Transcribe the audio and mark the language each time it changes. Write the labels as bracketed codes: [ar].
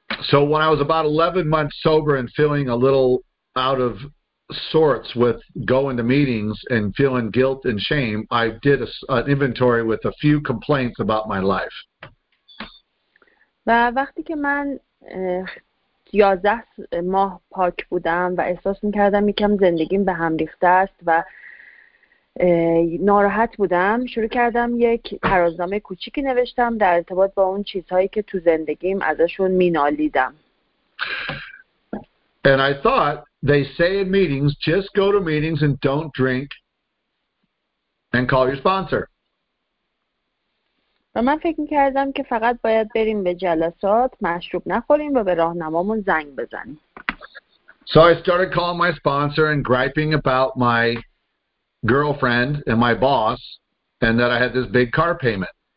[en] So when I was about 11 months sober and feeling a little out of sorts with going to meetings and feeling guilt and shame, I did an inventory with a few complaints about my life. [fa] و وقتی که من 11 ماه پاک بودم و احساس می‌کردم یکم زندگیم به هم ریخته است و ناراحت بودم، شروع کردم یک ترازنامه کوچیکی نوشتم در ارتباط با اون چیزهایی که تو زندگیم ازشون مینالیدم. [en] And I thought they say in meetings, just go to meetings and don't drink, and call your sponsor. [fa] و من فکر می‌کردم که فقط باید بریم به جلسات، مشروب نخوریم و به راهنمامون زنگ بزنیم. [en] So I started calling my sponsor and griping about my girlfriend and my boss and that I had this big car payment.